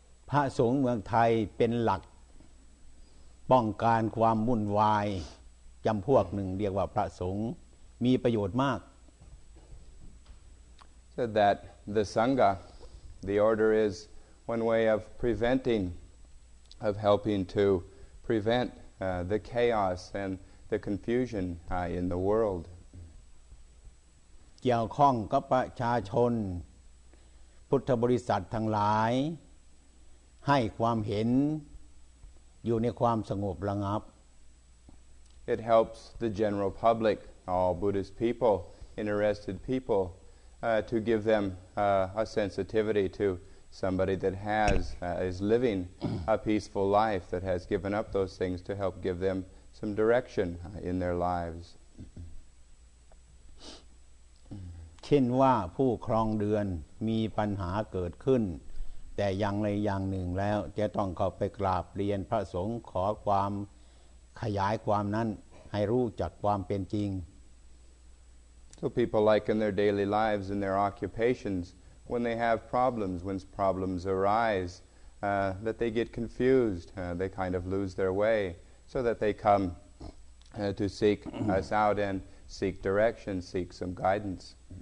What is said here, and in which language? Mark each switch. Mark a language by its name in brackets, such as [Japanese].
[Thai] พระสงฆ์เมืองไทยเป็นหลักป้องกันความวุ่นวายจำพวกหนึ่งเรียกว่าพระสงฆ์มีประโยชน์มาก [English] So that the Sangha, the order isOne way of preventing, of helping to prevent the chaos and the confusion in the world. [Thai] เกี่ยวข้องกับประชาชนพุทธบริษัททั้งหลายให้ความเห็นอยู่ในความสงบระงับ [English] It helps the general public, all Buddhist people, interested people, to give them a sensitivity to. Somebody that has is living a peaceful life that has given up those things to help give them some direction in their lives. [Thai] เช่นว่าผู้ครองเรือนมีปัญหาเกิดขึ้นแต่อย่างใดอย่างหนึ่งแล้วจะต้องเข้าไปกราบเรียนพระสงฆ์ขอความขยายความนั้นให้รู้จักความเป็นจริง [English] So people like in their daily lives and their occupations. When they have problems, when problems arise, that they get confused, they kind of lose their way, so that they come to seek us out and seek direction, seek some guidance.